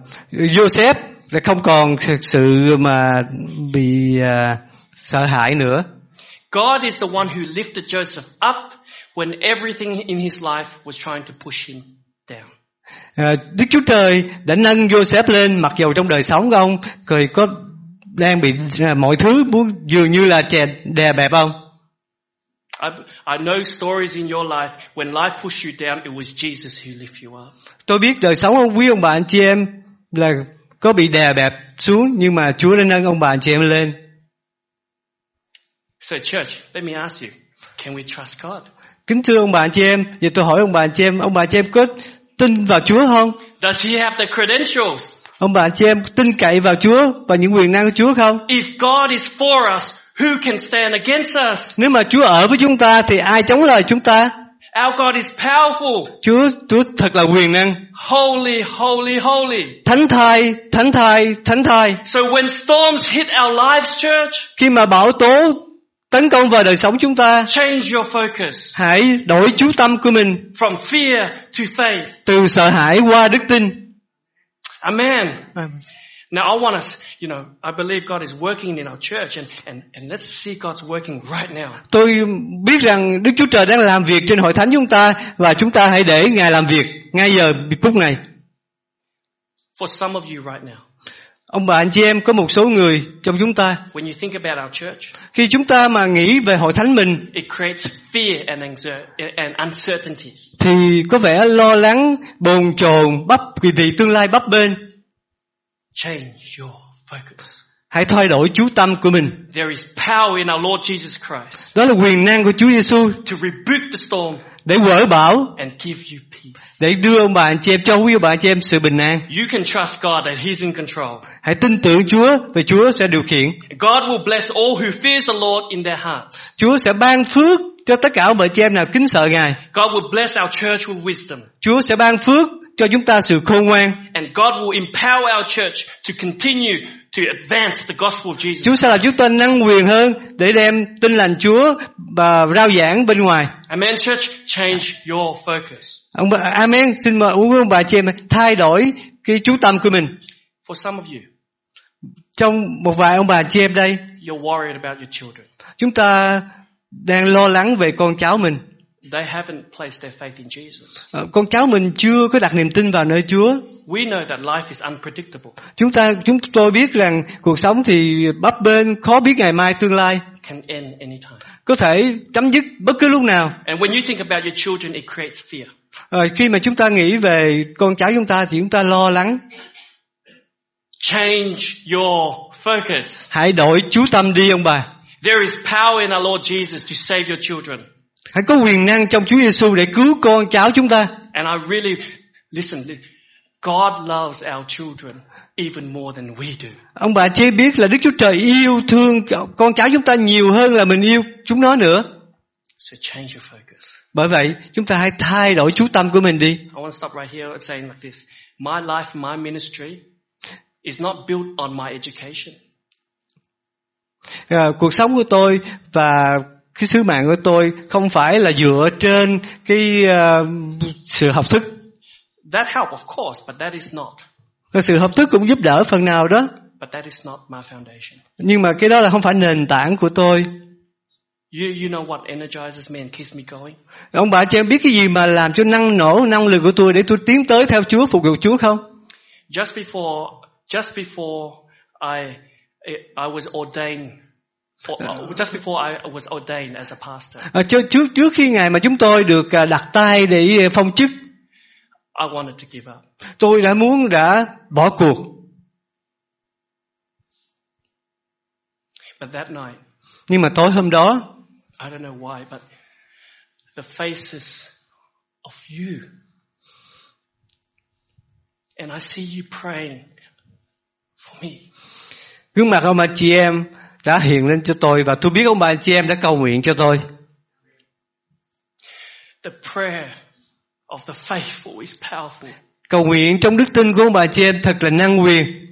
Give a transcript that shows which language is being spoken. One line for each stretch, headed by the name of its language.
Vietnamese: Joseph là không còn thực sự mà bị sợ hãi nữa.
English: God is the one who lifted Joseph up when everything in his life was trying to push him down.
Vietnamese: Đức Chúa Trời đã nâng Joseph lên mặc dù trong đời sống ông cười có đang bị mọi thứ muốn dường như là đè bẹp ông.
English: I know stories in your life when life pushed you down, it was Jesus who lift you up.
Vietnamese: Tôi biết đời sống ông quý ông bà anh chị em là có bị đè bẹp xuống nhưng mà Chúa đã nâng ông bà anh chị em lên.
English: So church, let me ask you, can we trust God?
Vietnamese: Kính thưa ông bà anh chị em, giờ tôi hỏi ông bà anh chị em có tin vào Chúa không?
English: Does he have the credentials?
Vietnamese: Ông bà anh chị em tin cậy vào Chúa và những quyền năng của Chúa không?
English: If God is for us, who can stand against us?
Vietnamese: Nếu mà Chúa ở với chúng ta thì ai chống lại chúng ta?
English: Our God is powerful.
Vietnamese: Chúa thật là quyền năng.
English: Holy, holy, holy.
Vietnamese: Thánh thai, thánh thai, thánh thai.
English: So when storms hit our lives, church,
Vietnamese: khi mà bão tố tấn công vào đời sống chúng ta,
English: change your focus.
Vietnamese: Hãy đổi chú tâm của mình.
English: From fear to faith.
Vietnamese: Từ sợ hãi qua đức tin.
English: Amen. Now I want us, you know, I believe God is working in our church and let's see God's working right now.
Vietnamese: Tôi biết rằng Đức Chúa Trời đang làm việc trên hội thánh chúng ta và chúng ta hãy để Ngài làm việc ngay giờ phút này.
English: For some of you right now.
Vietnamese: Ông bà anh chị em có một số người trong chúng ta.
English: When you think about our church.
Vietnamese: Khi chúng ta mà nghĩ về hội thánh mình,
English: it creates fear and uncertainties.
Vietnamese: Thì có vẻ lo lắng, bồn chồn, bấp vì tương lai bấp bênh.
English: Change your focus.
Vietnamese: Hãy thay đổi chú tâm của mình.
English: There is power in our Lord Jesus Christ.
Vietnamese: Đó là quyền năng của Chúa Giêsu.
English: To rebuke the storm.
Vietnamese: Để vỡ bão.
English: And give you peace.
Vietnamese: Để đưa ông bà anh chị em cho quý ông bà anh chị em sự bình an.
English: You can trust God that He's in control.
Vietnamese: Hãy tin tưởng Chúa và Chúa sẽ điều khiển.
English: God will bless all who fears the Lord in their hearts.
Vietnamese: Chúa sẽ ban phước cho tất cả ông bà anh chị em nào kính sợ Ngài.
English: God will bless our church with wisdom.
Vietnamese: Chúa sẽ ban phước cho chúng ta sự khôn ngoan.
English: And God will empower our church to continue to advance the gospel of Jesus.
Vietnamese: Chúa sẽ làm chúng ta năng quyền hơn để đem tin lành Chúa và rao giảng bên ngoài.
English: Amen, church, change your focus.
Vietnamese: Amen, xin mời ông bà chị em thay đổi cái chú tâm của mình.
English: For some of you,
Vietnamese: trong một vài ông bà chị em đây,
English: you're worried about your children.
Vietnamese: Chúng ta đang lo lắng về con cháu mình.
English: They haven't placed their faith in Jesus.
Vietnamese: Con cháu mình chưa có đặt niềm tin vào nơi Chúa.
English: We know that life is unpredictable.
Vietnamese: Chúng tôi biết rằng cuộc sống thì bấp bênh, khó biết ngày mai tương lai.
English: Can end anytime.
Vietnamese: Có thể chấm dứt bất cứ lúc nào.
English: And when you think about your children, it creates fear.
Vietnamese: Khi mà chúng ta nghĩ về con cháu chúng ta thì chúng ta lo lắng.
English: Change your focus.
Vietnamese: Hãy đổi chú tâm đi ông bà.
English: There is power in our Lord Jesus to save your children.
Vietnamese: Hãy có quyền năng trong Chúa Giêsu để cứu con cháu chúng ta.
English: And I really listen. God loves our children even more than we do.
Vietnamese: Ông bà chị biết là Đức Chúa Trời yêu thương con cháu chúng ta nhiều hơn là mình yêu chúng nó nữa.
English: So change your focus.
Vietnamese: Bởi vậy, chúng ta hãy thay đổi chú tâm của mình đi.
English: I want to stop right here and saying like this. My life, my ministry is not built on my education.
Vietnamese: Cuộc sống của tôi và cái sứ mạng của tôi không phải là dựa trên cái sự học thức.
English: That help, of course, but that is not.
Vietnamese: Sự học thức cũng giúp đỡ phần nào đó.
English: But that is not my foundation.
Vietnamese: Nhưng mà cái đó là không phải nền tảng của tôi.
English: You know what energizes me and keeps me going?
Vietnamese: Ông bà cho em biết cái gì mà làm cho năng nổ năng lực của tôi để tôi tiến tới theo Chúa, phục vụ Chúa không?
English: Just before I was ordained just before I was ordained as a pastor.
Vietnamese: Trước khi ngày mà chúng tôi được đặt tay để phong chức,
English: I wanted to give up.
Vietnamese: Tôi đã bỏ cuộc.
English: But that night,
Vietnamese: nhưng mà tối hôm đó,
English: I don't know why, but the faces of you, and I see you praying for me.
Vietnamese: Gương mặt ông bà chị em đã hiện lên cho tôi và tôi biết ông bà chị em đã cầu nguyện cho tôi.
English: The prayer of the faithful is powerful.
Vietnamese: Cầu nguyện trong đức tin của ông bà chị em thật là năng quyền.